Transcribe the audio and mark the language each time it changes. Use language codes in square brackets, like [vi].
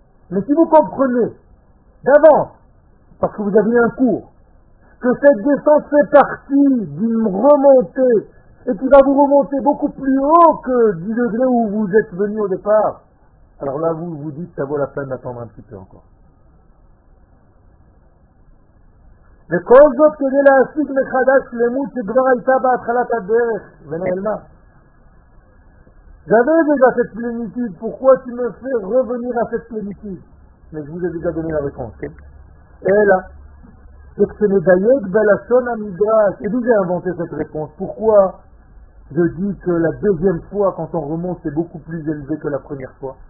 [fr] Mais si vous comprenez, d'avance, parce que vous avez un cours, que cette descente fait partie d'une remontée, et qui va vous remonter beaucoup plus haut que 10 degrés où vous êtes venu au départ, alors là, vous vous dites, ça vaut la peine d'attendre un petit peu encore. [he] וכל זאת כדי להשיג מחדש שלמות שכבר הייתה בהתחלת הדרך ונעלמה. [fr] J'avais déjà cette plénitude, pourquoi tu me fais revenir à cette plénitude? Mais je vous ai déjà donné la réponse. Et là, c'est que ce n'est d'ailleurs que la sonne à Midrash. Et d'où j'ai inventé cette réponse? Pourquoi je dis que la deuxième fois, quand on remonte, c'est beaucoup plus élevé que la première fois?